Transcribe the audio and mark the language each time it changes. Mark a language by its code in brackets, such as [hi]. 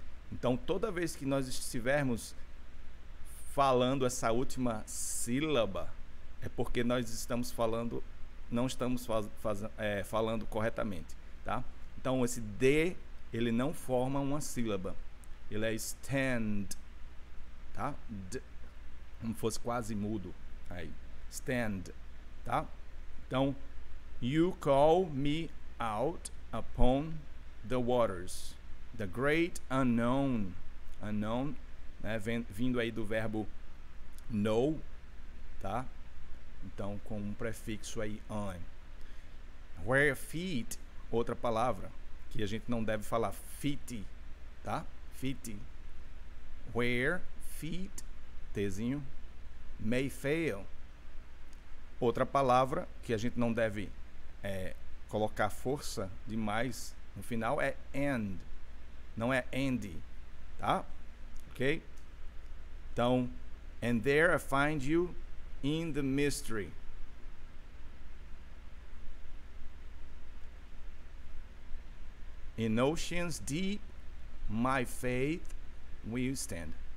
[pt] Então, toda vez que nós estivermos falando essa última sílaba, é porque nós estamos falando, não estamos falando corretamente, tá? Então, esse D, ele não forma uma sílaba. Ele é stand, tá? D, como fosse quase mudo aí. Stand, tá? Então, [en] you call me out upon the waters, the great unknown. [pt] Unknown, né? Vindo aí do verbo know, tá? Então, com um prefixo aí, on. [en] Where feet, [pt] outra palavra que a gente não deve falar, feet, tá? [en] Feet. Where feet, [pt] tezinho, [en] may fail. [pt] Outra palavra que a gente não deve colocar força demais no final é and. Não é andy, tá? Ok? Então, [en] and there I find you in the mystery. In oceans deep, my faith will stand.